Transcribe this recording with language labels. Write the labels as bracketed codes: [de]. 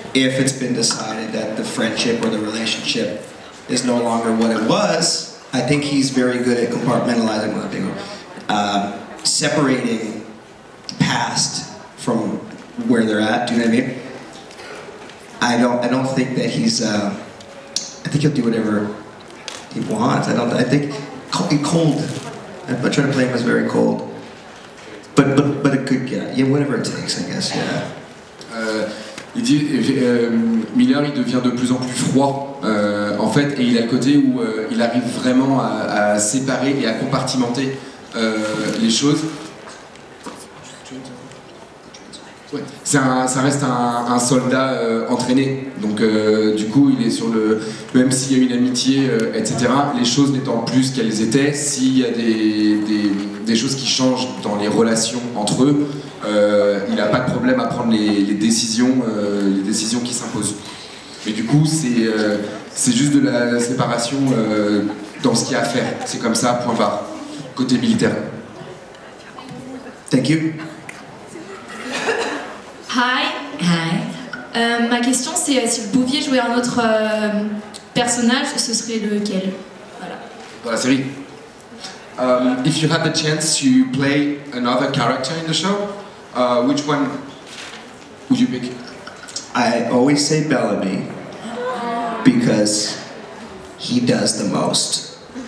[en] If it's been decided that the friendship or the relationship is no longer what it was, I think he's very good at compartmentalizing what they were, separating the past from where they're at. Do you know what I mean? I don't think that he's. I think he'll do whatever he wants. I think cold. I'm trying to play him as very cold, but a good guy. Yeah, whatever it takes, I guess. Yeah. [fr] Il dit, Miller, il devient de plus en plus froid, en fait, et il a le côté où il arrive vraiment à séparer et à compartimenter les choses. C'est ça reste un soldat entraîné, donc du coup il est sur le... Même s'il y a une amitié, etc., les choses n'étant plus qu'elles étaient, s'il y a des choses qui changent dans les relations entre eux, il n'a pas de problème à prendre les décisions qui s'imposent. Mais du coup c'est juste de la séparation dans ce qu'il y a à faire, c'est comme ça, point barre, côté militaire. [en] Thank you. Hi. Hi. [fr] Ma question c'est si vous pouviez jouer un autre personnage, ce serait lequel? Voilà. Dans la série. [en] If you had the chance to play another character in the show, which one would you pick? I always say Bellamy because he does the most.